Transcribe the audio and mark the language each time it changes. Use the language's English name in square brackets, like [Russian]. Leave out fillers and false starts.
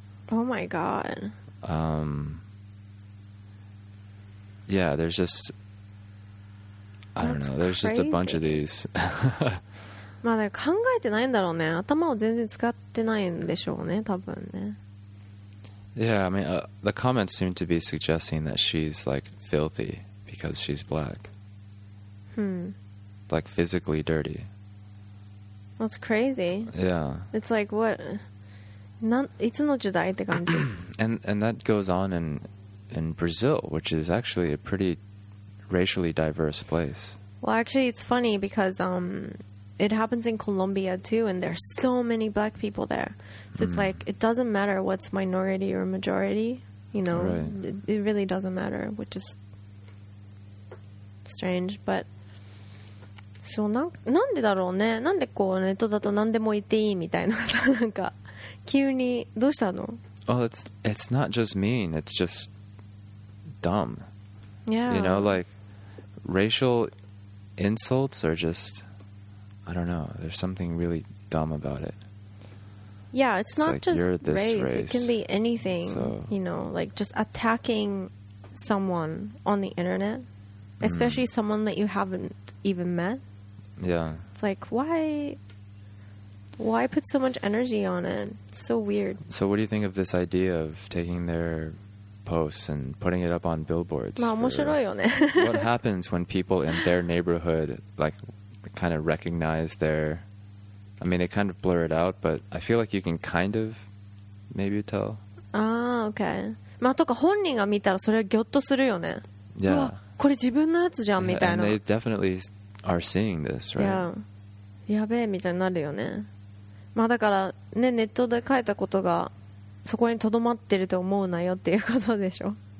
[English] Oh my god. Yeah, there's just. I don't know. There's just a bunch of these. [Japanese] まあ、考えてないんだろうね。頭を全然使ってないんでしょうね、多分ね。 [English] Yeah, I mean, the comments seem to be suggesting that she's like filthy because she's black. Like physically dirty. That's crazy. Yeah. It's like what? [Japanese] いつの時代って感じ。 [English] And that goes on in Brazil, which is actually a pretty racially diverse place. Well, actually, it's funny because it happens in Colombia too, and there's so many black people there. So it's like it doesn't matter what's minority or majority, you know. Right. It really doesn't matter, which is strange. But so [Japanese] なんでだろうね。なんでこうネットだと何でも言っていいみたいなさ、なんか。急にどうしたの? [English] Oh, it's not just mean, it's just dumb. Yeah. You know, like, racial insults are just, I don't know, there's something really dumb about it. Yeah, it's not like just race, it can be anything, so, you know, like just attacking someone on the internet, especially someone that you haven't even met. Yeah. It's like, why put so much energy on it? It's so weird. So what do you think of this idea of taking their posts and putting it up on billboards? What happens when people in their neighborhood, like, kind of recognize their... I mean, they kind of blur it out, but I feel like you can kind of maybe tell. Ah, okay. [Japanese] まあ、とか本人が見たらそれはギョッとするよね。 [English] Yeah. [Japanese] これ自分のやつじゃん、みたいな。 [English] And they definitely are seeing this, right? Yeah. [Japanese] やべえ、みたいになるよね。まあ、だから、ね、ネットで書いたことがそこに留まってると思うなよっていうことでしょ。